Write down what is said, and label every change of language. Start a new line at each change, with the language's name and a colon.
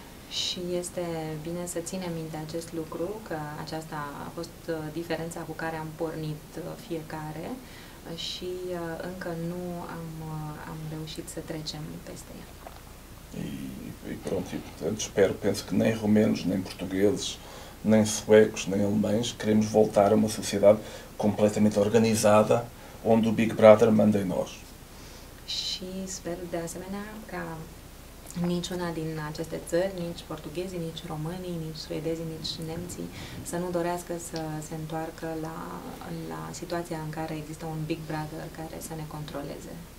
Romanian: Și este bine să ținem minte acest lucru, că aceasta a fost diferența cu care am pornit fiecare și încă nu am reușit să trecem peste ea.
Portuguese: E pronto, portanto, espero, penso que nem romenos, nem portugueses, nem suecos, nem alemães queremos voltar a uma sociedade completamente organizada onde o Big Brother manda em nós.
Romanian: Și sper de asemenea ca niciuna din aceste țări, nici portughezii, nici românii, nici suedezii, nici nemții, să nu dorească să se întoarcă la situația în care există un Big Brother care să ne controleze.